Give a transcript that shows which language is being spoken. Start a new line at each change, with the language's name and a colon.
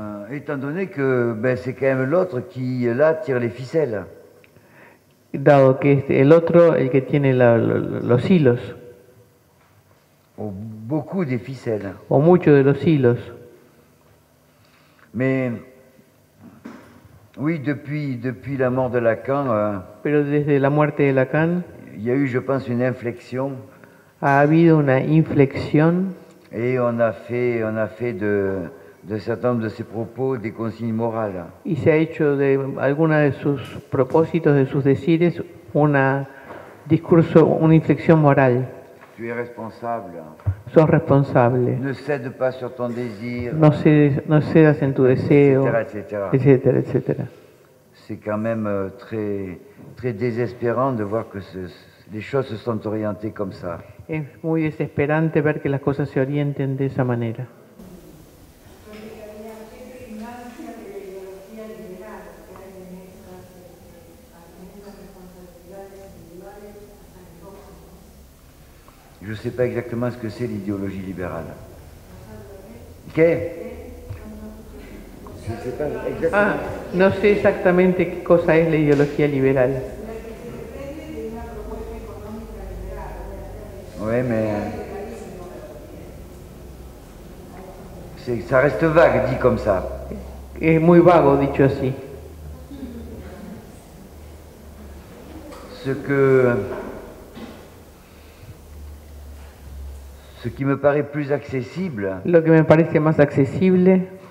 French: Étant donné que ben, c'est quand même l'autre qui là tire les ficelles.
Spanish: Dado que es el otro el que tiene los hilos.
French: O beaucoup de ficelles.
Spanish: O mucho de los hilos.
French: Mais oui, depuis la mort de Lacan.
Spanish: Pero desde la muerte de Lacan.
French: Il y a eu, je pense, une inflexion.
Spanish: Ha habido una inflexión.
French: Et on a fait de certains nombre de ses propos des consignes morales.
Spanish: Y se ha hecho de alguna de sus propósitos, de sus decires, una discurso, una inflexión moral.
French: Tu es responsable.
Spanish: Sos responsable.
French: Ne cède pas sur ton désir.
Spanish: No cedas en tu deseo.
French: Etc. C'est quand même très très désespérant de voir que les choses se sont orientées comme ça.
Spanish: Es muy desesperante ver que las cosas se orienten de esa manera.
French: Je ne sais pas exactement ce que c'est l'idéologie libérale. Ok. Je ne sais pas exactement.
Spanish: Ah, no sé exactamente qué cosa es la ideología liberal.
French: Oui, mais c'est, ça reste vague dit comme ça.
Spanish: Es muy vago dicho así.
French: Ce qui me paraît plus accessible.
Spanish: Lo que me parece más accesible.